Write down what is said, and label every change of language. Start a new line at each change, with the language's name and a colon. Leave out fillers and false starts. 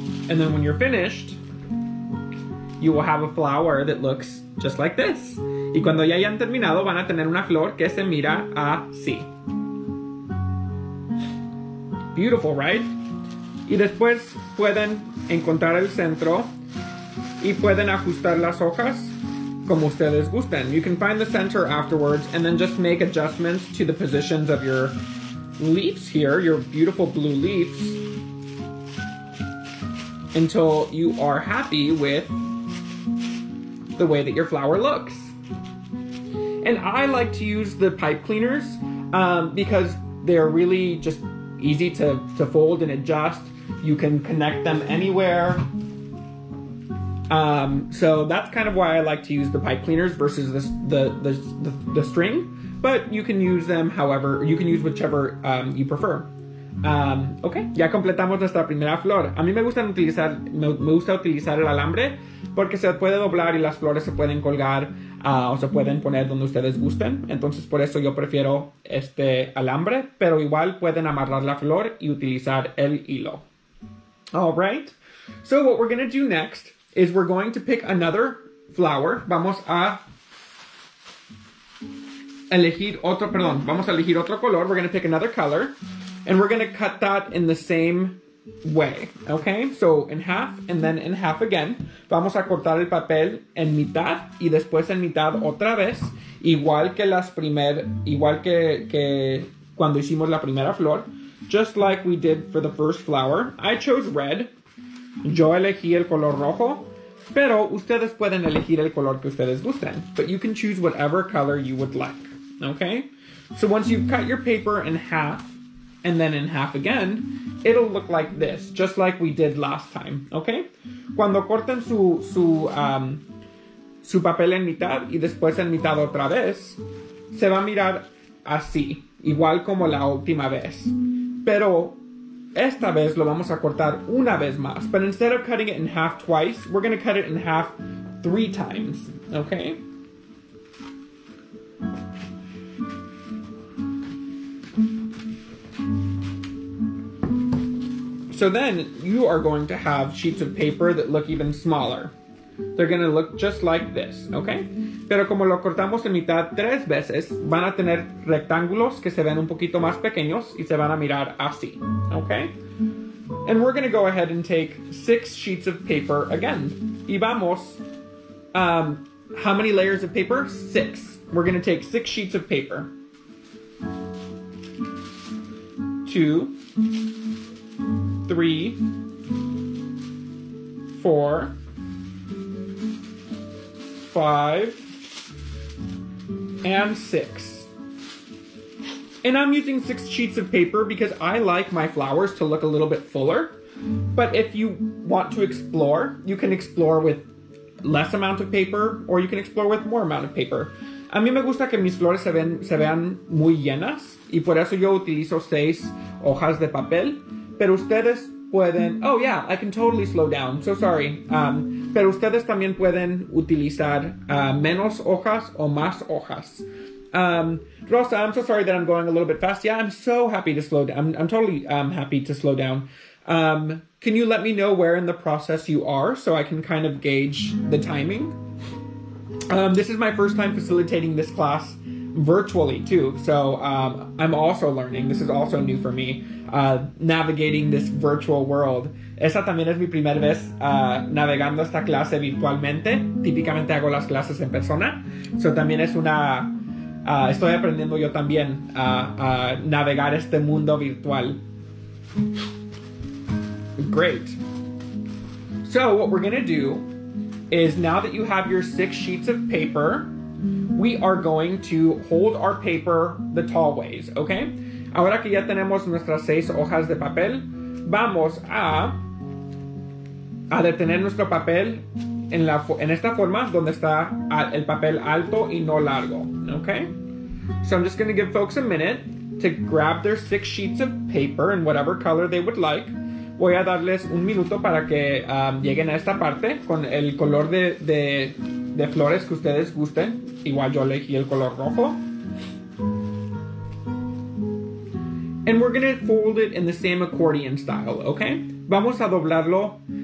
English: And then when you're finished, you will have a flower that looks just like this.
Spanish: Y cuando ya hayan terminado, van a tener una flor que se mira así.
English: Beautiful, right?
Spanish: Y después pueden encontrar el centro y pueden ajustar las hojas. Como ustedes gusten.
English: You can find the center afterwards and then just make adjustments to the positions of your leaves here, your beautiful blue leaves, until you are happy with the way that your flower looks. And I like to use the pipe cleaners because they're really just easy to fold and adjust. You can connect them anywhere. So that's kind of why I like to use the pipe cleaners versus the string, but you can use them however, you can use whichever you prefer.
Spanish: Okay, ya completamos nuestra primera flor. A mí me gusta utilizar el alambre porque se puede doblar y las flores se pueden colgar o se pueden poner donde ustedes gusten. Entonces por eso yo prefiero este alambre, pero igual pueden amarrar la flor y utilizar el hilo.
English: All right, so what we're gonna do next is we're going to pick another flower.
Spanish: Vamos a elegir otro, perdón, vamos a elegir otro color.
English: We're gonna pick another color and we're gonna cut that in the same way, okay? So in half and then in half again.
Spanish: Vamos a cortar el papel en mitad y después en mitad otra vez, igual que cuando hicimos la primera flor,
English: just like we did for the first flower. I chose red.
Spanish: Yo elegí el color rojo, pero ustedes pueden elegir el color que ustedes gusten.
English: But you can choose whatever color you would like, okay? So once you've cut your paper in half and then in half again, it'll look like this, just like we did last time, okay?
Spanish: Cuando corten su papel en mitad y después en mitad otra vez, se va a mirar así, igual como la última vez. Pero esta vez lo vamos a cortar una vez más.
English: But instead of cutting it in half twice, we're going to cut it in half three times, okay? So then you are going to have sheets of paper that look even smaller. They're going to look just like this, okay?
Spanish: Pero como lo cortamos en mitad tres veces, van a tener rectángulos que se ven un poquito más pequeños y se van a mirar así, okay?
English: And we're going to go ahead and take six sheets of paper again.
Spanish: Y vamos,
English: how many layers of paper? Six. We're going to take six sheets of paper. Two, three, four, five, and six. And I'm using six sheets of paper because I like my flowers to look a little bit fuller. But if you want to explore, you can explore with less amount of paper, or you can explore with more amount of paper.
Spanish: A mí me gusta que mis flores se vean muy llenas, y por eso yo utilizo seis hojas de papel. Pero ustedes pueden...
English: Oh, yeah, I can totally slow down. So sorry.
Spanish: Pero ustedes también pueden utilizar menos hojas o más hojas.
English: Rosa, I'm so sorry that I'm going a little bit fast. Yeah, I'm so happy to slow down. I'm totally happy to slow down. Can you let me know where in the process you are so I can kind of gauge the timing? This is my first time facilitating this class virtually too. So I'm also learning. This is also new for me, navigating this virtual world.
Spanish: Esa también es mi primera vez navegando esta clase virtualmente. Típicamente hago las clases en persona. So también es una... estoy aprendiendo yo también a navegar este mundo virtual.
English: Great. So what we're going to do is, now that you have your six sheets of paper, we are going to hold our paper the tall ways, okay?
Spanish: Ahora que ya tenemos nuestras seis hojas de papel, vamos a detener nuestro papel en esta forma donde está el papel alto y no largo, okay?
English: So I'm just going to give folks a minute to grab their six sheets of paper in whatever color they would like.
Spanish: Voy a darles un minuto para que lleguen a esta parte con el color de flores que ustedes gusten. Igual yo elegí el color rojo.
English: And we're going to fold it in the same accordion style, okay?
Spanish: Vamos a doblarlo.